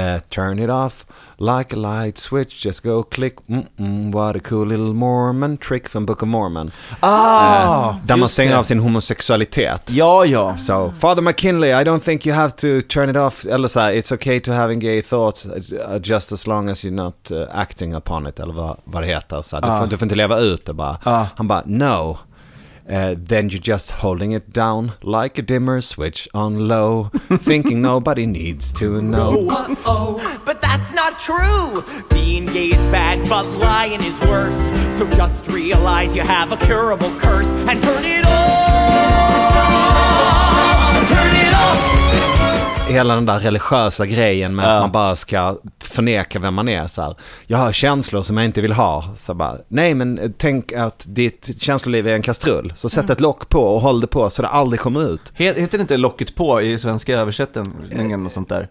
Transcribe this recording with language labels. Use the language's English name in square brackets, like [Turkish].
[English] Turn it off like a light switch, just go click. What a cool little Mormon trick from Book of Mormon. [Swedish] Där man stänger av sin homosexualitet. Ja. [English] So, Father McKinley, I don't think you have to turn it off. [Swedish] Eller så, [English] it's okay to have gay thoughts just as long as you're not acting upon it. [Swedish] Eller vad det heter. Så, du får inte leva ut det bara. Han bara, [English] no. Then you're just holding it down like a dimmer switch on low, thinking nobody needs to know. Uh-oh, but that's not true. Being gay is bad, but lying is worse. So just realize you have a curable curse and turn it on. Turn it on. [Swedish] Hela den där religiösa grejen med att man bara ska förneka vem man är. Så här, jag har känslor som jag inte vill ha. Så bara, nej, men tänk att ditt känsloliv är en kastrull. Så sätt ett lock på och håll det på så det aldrig kommer ut. Heter det inte locket på i svenska översättningen och sånt där?